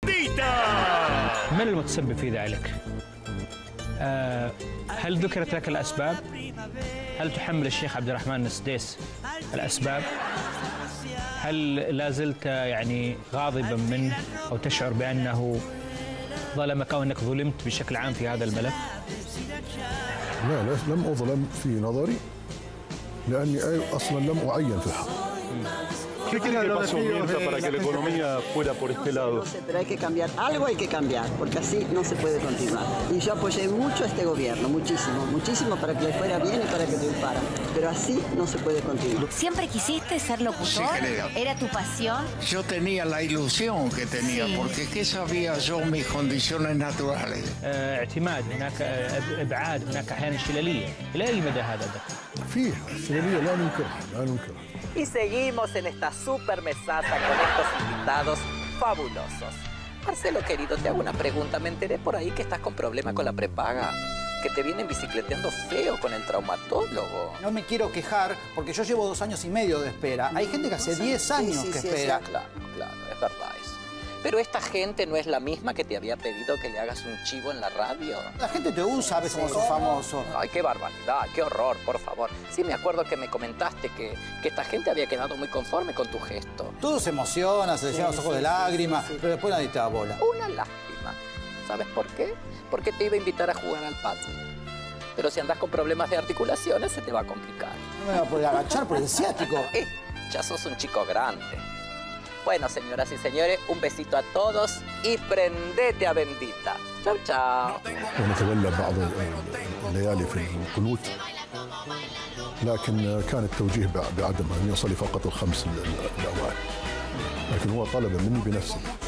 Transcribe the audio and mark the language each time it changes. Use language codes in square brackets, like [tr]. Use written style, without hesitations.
[ar] من المتسبب في ذلك؟ هل ذكرت لك الأسباب؟ هل تحمل الشيخ عبد الرحمن السديس الأسباب؟ هل لازلت يعني غاضبا منه أو تشعر بأنه ظلمك أو أنك ظلمت بشكل عام في هذا الملف؟ لا لا، لم أظلم في نظري، لأني أصلا لم أعين في الحق. [es] ¿Qué quiere que pase un mientras para que la economía fuera por este lado? Pero hay que cambiar, algo hay que cambiar, porque así no se puede continuar. Y yo apoyé mucho a este gobierno, muchísimo, muchísimo, para que le fuera bien y para que triunfara. Pero así no se puede continuar. ¿Siempre quisiste ser locutor? Sí, ¿era tu pasión? Yo tenía la ilusión que tenía, sí. Porque ¿qué sabía yo mis condiciones naturales? [ar] اعتماد هناك ابعاد هناك احيانا شلاليه. ¿الى اي مدى هذا الدكتور؟ فيها شلاليه لا ننكرها، لا ننكرها. [es] Y seguimos en esta super mesaza con estos invitados fabulosos. Marcelo, querido, te hago una pregunta. Me enteré por ahí que estás con problemas con la prepaga, que te vienen bicicleteando feo con el traumatólogo. No me quiero quejar porque yo llevo 2 años y medio de espera. Hay gente que hace 10 años que espera. Claro, claro, es verdad eso. Pero esta gente no es la misma que te había pedido que le hagas un chivo en la radio. La gente te usa, ves como sos famoso. Ay, qué barbaridad, qué horror, por favor. Sí, me acuerdo que me comentaste que esta gente había quedado muy conforme con tu gesto. Todos se emocionan, se llenan los ojos de lágrimas, pero después nadie te da bola. Una lástima. ¿Sabes por qué? Porque te iba a invitar a jugar al pádel. Pero si andás con problemas de articulaciones, se te va a complicar. No me va a poder agachar por el ciático. Ya sos un chico grande. Bueno, señoras y señores, un besito a todos y prendete a bendita. Chau, chau. [ar] Bueno, تولى بعض الليالي في القنوت، لكن كان التوجيه بعدم أن يصلي فقط الخمس الأوائل، لكن هو طلب مني بنفسه.